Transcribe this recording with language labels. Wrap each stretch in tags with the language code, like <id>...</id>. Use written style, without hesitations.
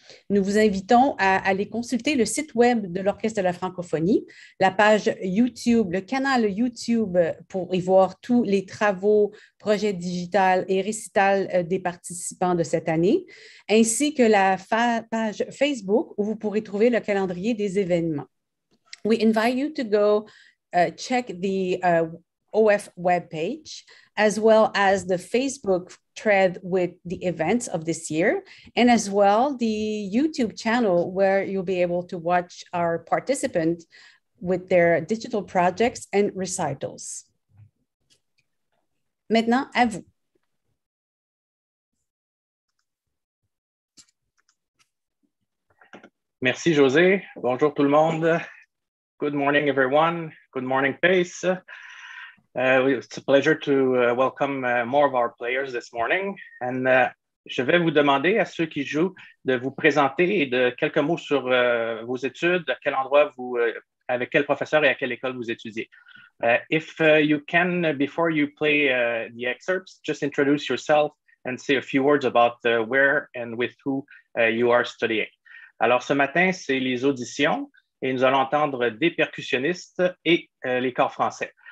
<fr>Nous vous invitons à aller consulter le site web de l'Orchestre de la Francophonie, la page YouTube, le canal YouTube pour y voir tous les travaux, projets digitaux et récitals des participants de cette année, ainsi que la page Facebook où vous pourrez trouver le calendrier des événements.</fr> <en>We invite you to go check the OF webpage, as well as the Facebook thread with the events of this year, and as well the YouTube channel where you'll be able to watch our participants with their digital projects and recitals.</en> <fr>Maintenant, à vous. Merci, José. Bonjour, tout le monde.</fr> <en>Good morning, everyone. Good morning, Pace. It's a pleasure to welcome more of our players this morning.</en> <fr>And je vais vous demander à ceux qui jouent de vous présenter et de quelques mots sur vos études, à quel endroit vous, avec quel professeur et à quelle école vous étudiez.</fr> <en>If you can, before you play the excerpts, just introduce yourself and say a few words about where and with who you are studying.</en> <fr>Alors, ce matin, c'est les auditions et nous allons entendre des percussionnistes et les corps français.</fr>